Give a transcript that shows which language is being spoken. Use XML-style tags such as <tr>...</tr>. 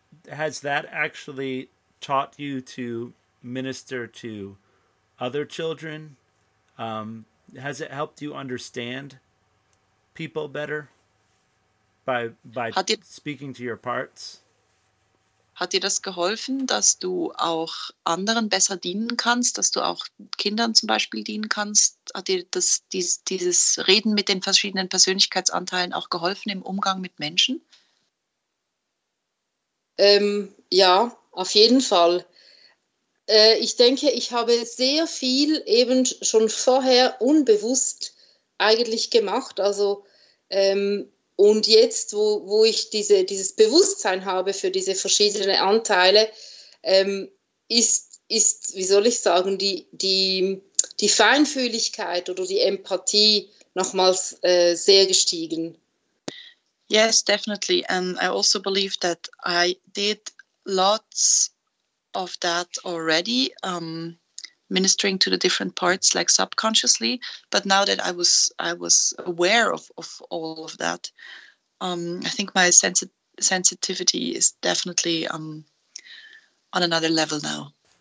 <en>Has that actually taught you to minister to other children? Has it helped you understand people better by speaking to your parts?</en> <de>Hat dir das geholfen, dass du auch anderen besser dienen kannst, dass du auch Kindern zum Beispiel dienen kannst? Hat dir dieses Reden mit den verschiedenen Persönlichkeitsanteilen auch geholfen im Umgang mit Menschen? Ja, auf jeden Fall. Ich denke, ich habe sehr viel eben schon vorher unbewusst eigentlich gemacht. Also und jetzt, wo ich dieses Bewusstsein habe für diese verschiedenen Anteile, ist, wie soll ich sagen, die Feinfühligkeit oder die Empathie nochmals sehr gestiegen.</de> <en>Yes, definitely. And I also believe that I did lots of that already, ministering to the different parts, like subconsciously. But now that I was aware of all of that, I think my sensitivity is definitely on another level now.</en>